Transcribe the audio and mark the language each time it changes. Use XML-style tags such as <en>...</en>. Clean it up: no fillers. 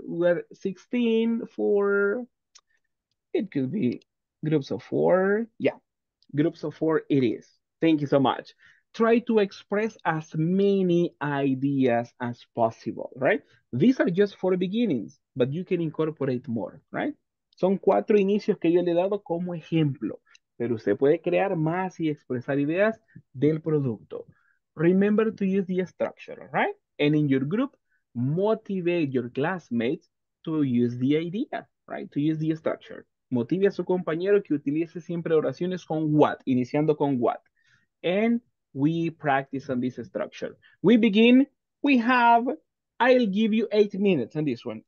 <en>We're 16, 4. It could be groups of 4. Yeah, groups of 4 it is. Thank you so much. Try to express as many ideas as possible, right? These are just 4 beginnings, but you can incorporate more, right?</en> <es>Son 4 inicios que yo le he dado como ejemplo. Pero usted puede crear más y expresar ideas del producto.</es> <en>Remember to use the structure, right? And in your group, motivate your classmates to use the idea, right? To use the structure.</en> <es>Motive a su compañero que utilice siempre oraciones con what, iniciando con what.</es> <en>And we practice on this structure. We begin, we have, I'll give you 8 minutes on this one.</en>